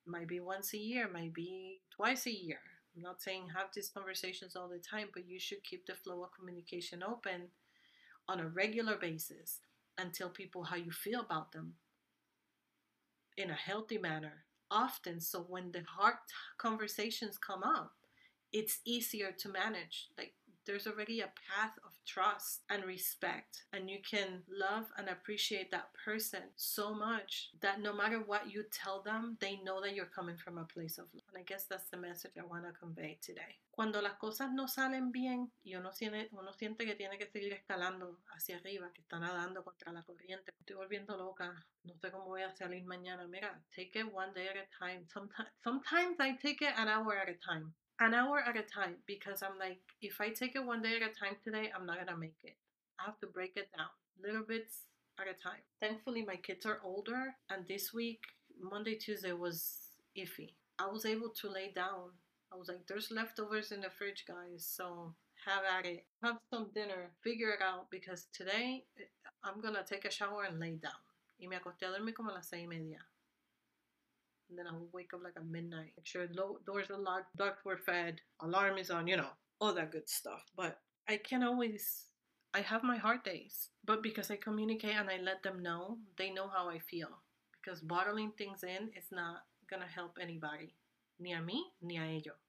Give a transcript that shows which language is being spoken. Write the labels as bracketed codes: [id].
[en] Might be once a year, might be twice a year. I'm not saying have these conversations all the time, but you should keep the flow of communication open on a regular basis and tell people how you feel about them in a healthy manner often, so when the hard conversations come up, it's easier to manage. Like, there's already a path of trust and respect, and you can love and appreciate that person so much that no matter what you tell them, they know that you're coming from a place of love. And I guess that's the message I want to convey today. [es] Cuando las cosas no salen bien, y uno siente que tiene que seguir escalando hacia arriba, que está nadando contra la corriente. Estoy volviendo loca. No sé cómo voy a salir mañana. Mira, [en] take it one day at a time. Sometimes I take it an hour at a time. An hour at a time, because I'm like, if I take it one day at a time today, I'm not gonna make it. I have to break it down, little bits at a time. Thankfully, my kids are older, and this week, Monday, Tuesday, was iffy. I was able to lay down. I was like, there's leftovers in the fridge, guys, so have at it. Have some dinner, figure it out, because today, I'm gonna take a shower and lay down. [es] Y me acosté a dormir como a las 6:30. [en] And then I would wake up like at midnight, make sure doors are locked, ducts were fed, alarm is on, you know, all that good stuff. But I can't always, I have my hard days, but because I communicate and I let them know, they know how I feel. Because bottling things in is not gonna help anybody, [es] ni a mí, ni a ellos.